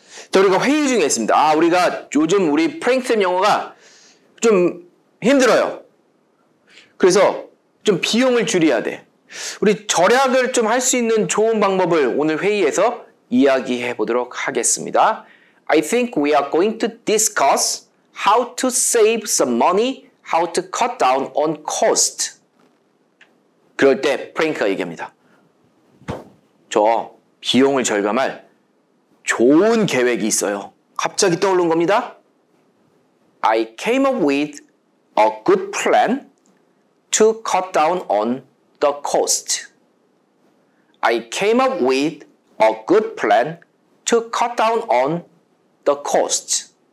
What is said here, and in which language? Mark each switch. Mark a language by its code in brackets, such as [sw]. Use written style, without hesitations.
[ko] 자, 우리가 회의 중에 있습니다. 아, 우리가 요즘 우리 프랭크팸 영어가 좀 힘들어요. 그래서 좀 비용을 줄여야 돼. 우리 절약을 좀 할 수 있는 좋은 방법을 오늘 회의에서 이야기해 보도록 하겠습니다. [en] I think we are going to discuss how to save some money, how to cut down on cost. [ko] 그럴 때 프랭크가 얘기합니다. 저 비용을 절감할 좋은 계획이 있어요. 갑자기 떠오른 겁니다. [en] I came up with a good plan to cut down on the cost. I came up with a good plan to cut down on the cost.